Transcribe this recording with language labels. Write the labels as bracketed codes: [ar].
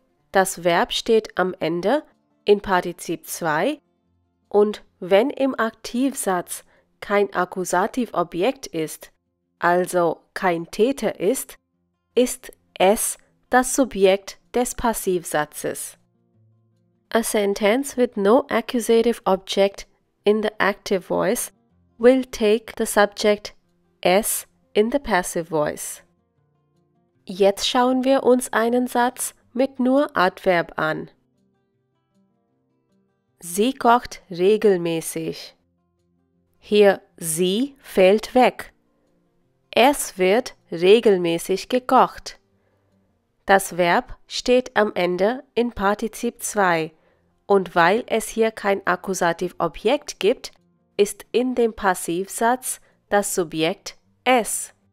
[de] Das Verb steht am Ende in Partizip 2 und wenn im Aktivsatz kein Akkusativobjekt ist, also kein Täter ist, ist es das Subjekt des Passivsatzes. [en] A sentence with no accusative object in the active voice will take the subject es in the passive voice. [de] Jetzt schauen wir uns einen Satz mit nur Adverb an. Sie kocht regelmäßig. Hier sie fällt weg. Es wird regelmäßig gekocht. Das Verb steht am Ende in Partizip 2 und weil es hier kein Akkusativobjekt gibt, ist in dem Passivsatz das Subjekt es.